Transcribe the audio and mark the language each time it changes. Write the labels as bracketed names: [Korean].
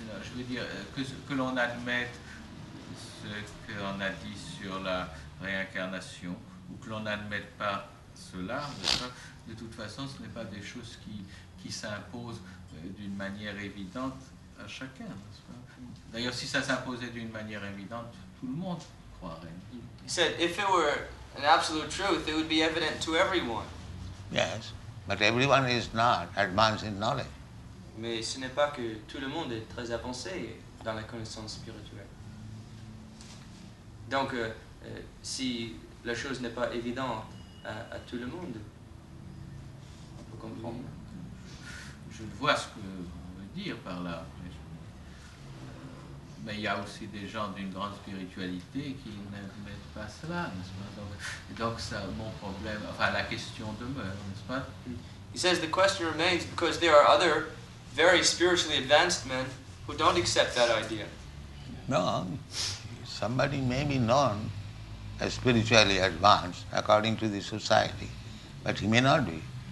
[French] Je veux dire que l'on admette ce qu'on a dit sur la réincarnation ou que l'on n'admette pas cela, de toute façon, ce n'est pas des choses qui s'imposent d'une manière évidente à chacun. D'ailleurs, si ça s'imposait d'une manière évidente, tout le monde croirait. [English] He said, if it were an absolute truth, it would be evident to everyone. Yes, but everyone is not advanced in knowledge. [French] Mais ce n'est pas que tout le monde est très avancé dans la connaissance spirituelle. Donc, si la chose n'est pas évidente à tout le monde, on peut comprendre. Oui. Je vois ce que vous voulez dire par là. Mais il y a aussi des gens d'une grande spiritualité qui n'admettent pas cela, n'est-ce pas? Donc ça, mon problème, enfin la question demeure, n'est-ce pas? [English] He says the question remains because there are other very spiritually advanced men who don't accept that idea. No, somebody may be known as spiritually advanced according to the society, but he may not be.